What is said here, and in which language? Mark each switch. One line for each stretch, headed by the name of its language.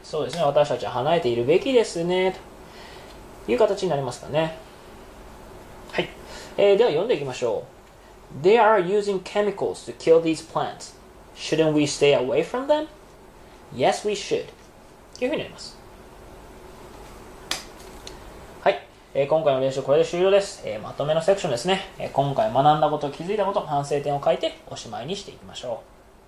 Japanese: そうですね、私たちは離れているべきですねという形になりますかね。では読んでいきましょう。
English: They are using chemicals to kill these plants. Shouldn't we stay away from them? Yes, we should.
Japanese: というふうになります。はい、今回の練習これで終了です。まとめのセクションですね。今回学んだこと、気づいたこと、反省点を書いておしまいにしていきましょう。